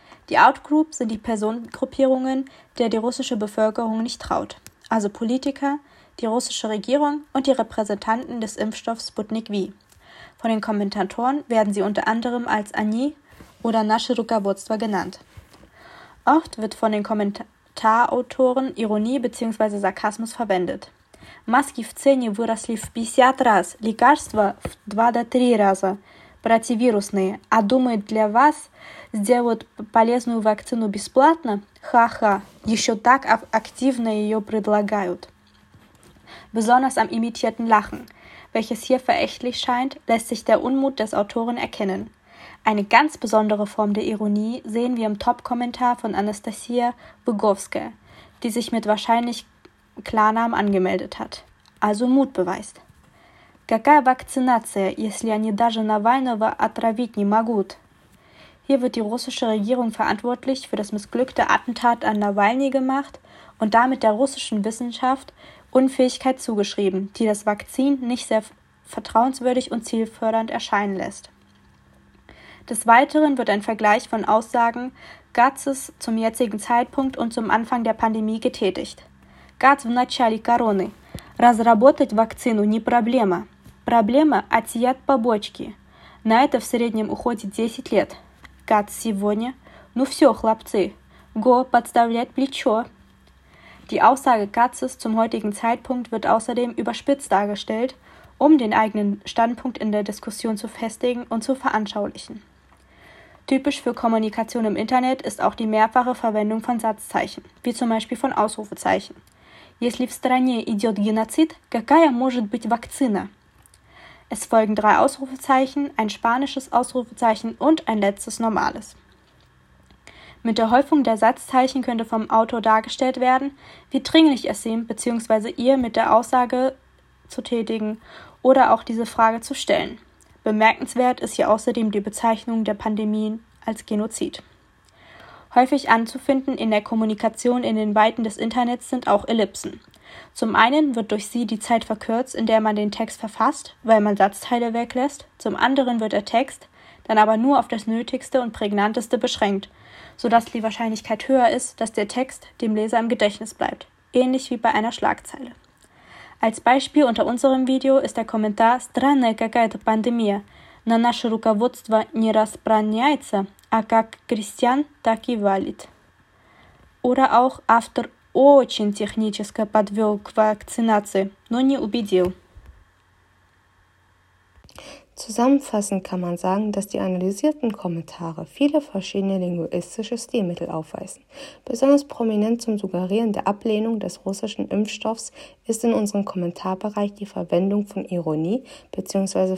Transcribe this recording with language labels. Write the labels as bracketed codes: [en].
[de] Die Out-Group sind die Personengruppierungen, der die russische Bevölkerung nicht traut, also Politiker, die russische Regierung und die Repräsentanten des Impfstoffs Sputnik V. Von den Kommentatoren werden sie unter anderem als Ani oder Nasche Rukavodstva genannt. Oft wird von den Kommentarautoren Ironie bzw. Sarkasmus verwendet. [ru] Maski в цене выросли в 50 раз, лекарства в 2-3 раза, противовирусные, а думают для вас сделают полезную вакцину бесплатно? Ха-ха, еще так активно ее предлагают. [de] Besonders am imitierten Lachen, welches hier verächtlich scheint, lässt sich der Unmut des Autoren erkennen. Eine ganz besondere Form der Ironie sehen wir im Top-Kommentar von Anastasia Bugowska, die sich mit wahrscheinlich Klarnamen angemeldet hat, also Mut beweist. [ru] Какая вакцинация, если они даже Навального отравить не могут? [de] Hier wird die russische Regierung verantwortlich für das missglückte Attentat an Navalny gemacht und damit der russischen Wissenschaft Unfähigkeit zugeschrieben, die das Vakzin nicht sehr vertrauenswürdig und zielfördernd erscheinen lässt. Des Weiteren wird ein Vergleich von Aussagen Gatzes zum jetzigen Zeitpunkt und zum Anfang der Pandemie getätigt. [ru] Gatz в начале короны. Разработать вакцину не проблема. Проблема – отсеять побочки. На это в среднем уходит 10 лет. Gatz сегодня. Ну все, хлопцы. Го, подставлять плечо. [de] Die Aussage Gatzes zum heutigen Zeitpunkt wird außerdem überspitzt dargestellt, um den eigenen Standpunkt in der Diskussion zu festigen und zu veranschaulichen. Typisch für Kommunikation im Internet ist auch die mehrfache Verwendung von Satzzeichen, wie zum Beispiel von Ausrufezeichen. [ru] Если в стране идет геноцид, какая может быть вакцина? [de] Es folgen drei Ausrufezeichen, ein spanisches Ausrufezeichen und ein letztes normales. Mit der Häufung der Satzzeichen könnte vom Autor dargestellt werden, wie dringlich es ihm bzw. ihr mit der Aussage zu tätigen oder auch diese Frage zu stellen. Bemerkenswert ist hier außerdem die Bezeichnung der Pandemien als Genozid. Häufig anzufinden in der Kommunikation in den Weiten des Internets sind auch Ellipsen. Zum einen wird durch sie die Zeit verkürzt, in der man den Text verfasst, weil man Satzteile weglässt. Zum anderen wird der Text dann aber nur auf das Nötigste und Prägnanteste beschränkt, sodass die Wahrscheinlichkeit höher ist, dass der Text dem Leser im Gedächtnis bleibt, ähnlich wie bei einer Schlagzeile. Als Beispiel unter unserem Video ist der Kommentar [ru] «Странная какая-то пандемия. На наше руководство не распространяется, а как крестьян, так и валит». [de] Oder auch [ru] «Автор очень технически подвел к вакцинации, но не убедил». [de] Zusammenfassend kann man sagen, dass die analysierten Kommentare viele verschiedene linguistische Stilmittel aufweisen. Besonders prominent zum Suggerieren der Ablehnung des russischen Impfstoffs ist in unserem Kommentarbereich die Verwendung von Ironie bzw.